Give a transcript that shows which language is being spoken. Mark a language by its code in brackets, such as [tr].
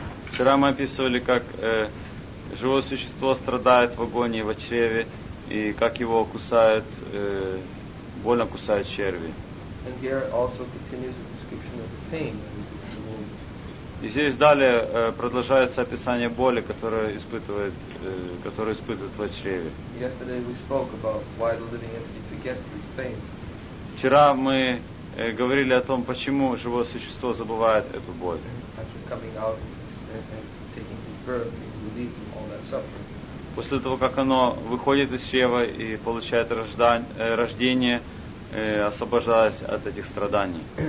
[ru] Вчера мы описывали, как живое существо страдает в агонии в чреве, и как его кусают, больно кусают черви. [en] And here also continues the description of the pain in the womb. [ru] И здесь далее продолжается описание боли, которую испытывает в чреве. [en] Yesterday we spoke about why the living entity forgets this pain. [ru] Вчера мы говорили о том, почему живое существо забывает эту боль. [en] After coming out and taking his birth, it relieved him all that suffering. [ru] После того, как оно выходит из чрева и получает рождение, освобождаясь от этих страданий.